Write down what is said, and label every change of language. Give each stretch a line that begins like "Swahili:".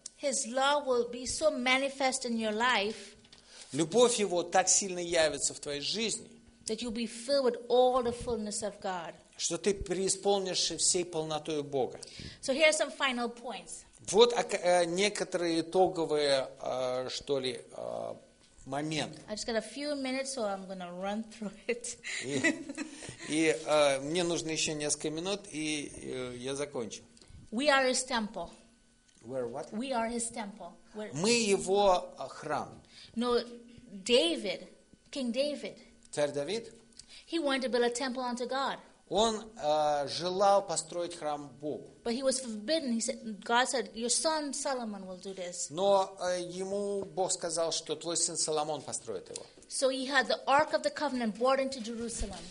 English: His love will be so manifest in your life.
Russian: Любовь Его так сильно явится в твоей жизни.
English: That you'll be filled with all the fullness of God.
Russian: Что ты преисполнишься всей полнотой Бога.
English: So here are some final points.
Russian: Вот некоторые итоговые, что ли, моменты.
English: I just got a few minutes, so I'm going to run through it.
Russian: И мне нужно еще несколько минут, и я закончу.
English: We are His temple. We're what? We are His temple. We're...
Russian: Мы Его храм.
English: No, David, King David.
Russian: Царь Давид.
English: He wanted to build a temple unto God.
Russian: Он желал построить храм Богу.
English: But he was forbidden. He said, God said, your son Solomon will do this.
Russian: Но ему Бог сказал, что твой сын Соломон построит его.
English: So he had the Ark of the Covenant brought into Jerusalem.